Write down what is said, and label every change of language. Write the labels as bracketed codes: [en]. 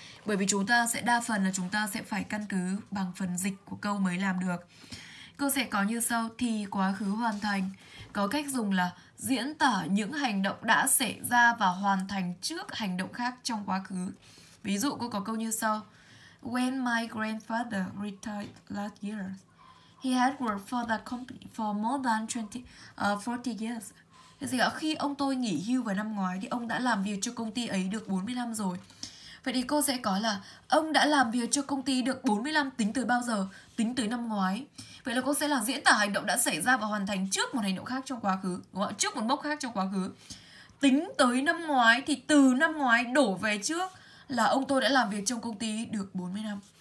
[vi] Bởi vì chúng ta sẽ đa phần là chúng ta sẽ phải căn cứ bằng phần dịch của câu mới làm được. Câu sẽ có như sau, thì quá khứ hoàn thành. Có cách dùng là diễn tả những hành động đã xảy ra và hoàn thành trước hành động khác trong quá khứ. Ví dụ cô có câu như sau. [en] When my grandfather retired last year, he had worked for that company for more than 40 years. [vi] Thế thì khi ông tôi nghỉ hưu vào năm ngoái thì ông đã làm việc cho công ty ấy được 40 năm rồi. Vậy thì cô sẽ có là ông đã làm việc cho công ty được 40 năm tính từ bao giờ? Tính tới năm ngoái. Vậy là cô sẽ là diễn tả hành động đã xảy ra và hoàn thành trước một hành động khác trong quá khứ, đúng không? Trước một mốc khác trong quá khứ. Tính tới năm ngoái thì từ năm ngoái đổ về trước là ông tôi đã làm việc trong công ty được 40 năm.